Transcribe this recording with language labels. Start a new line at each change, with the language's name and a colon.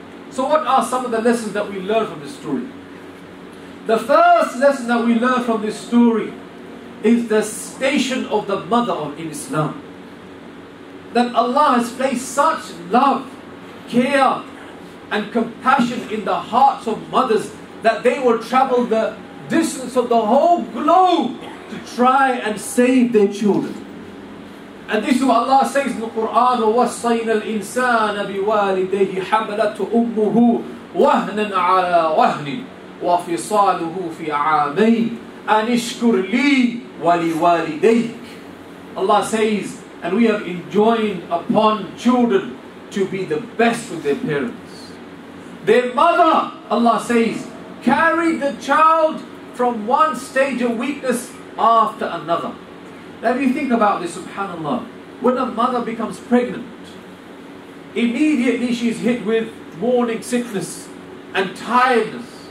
English: So what are some of the lessons that we learn from this story? The first lesson that we learn from this story is the station of the mother of in Islam. That Allah has placed such love, care, and compassion in the hearts of mothers that they will travel the distance of the whole globe to try and save their children. And this is what Allah says in the Quran,
Arabic: وَوَصَّيْنَا الْإِنسَانَ بِوَالِدَيْهِ حَمَلَتْهُ أُمُّهُ وَهْنًا عَلَى وَهْنٍ وَفِصَالُهُ فِي عَامَيْنِ أَنِ اشْكُرْ لِي وَلِوَالِدَيْكَ.
English: Allah says, and we have enjoined upon children to be the best with their parents. Their mother, Allah says, carried the child from one stage of weakness after another. Now if you think about this, subhanAllah, when a mother becomes pregnant, immediately she's hit with morning sickness and tiredness.